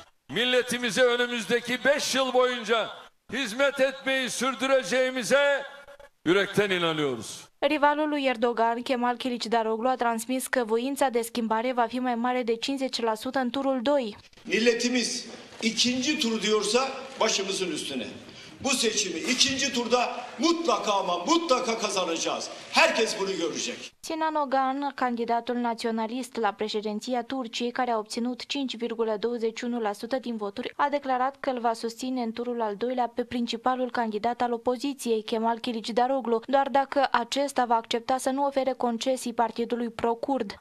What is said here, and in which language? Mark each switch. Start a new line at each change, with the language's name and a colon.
Turkish: milletimize önümüzdeki 5 yıl boyunca hizmet etmeyi sürdüreceğimize yürekten inanıyoruz.
Romanian: Rivalul lui Erdogan, Kemal Kılıçdaroğlu, a transmis că voința de schimbare va fi mai mare de 50% în turul 2.
Turkish: Milletimiz ikinci tur diyorsa başımızın üstüne. Bu seçimi ikinci turda mutlaka ama mutlaka kazanacağız. Herkes bunu görecek.
Romanian: Sinan Ogan, candidatul naționalist la președinția Turciei, care a obținut 5,21% din voturi, a declarat că îl va susține în turul al doilea pe principalul candidat al opoziției, Kemal Kılıçdaroğlu, doar dacă acesta va accepta să nu ofere concesii partidului pro-curd.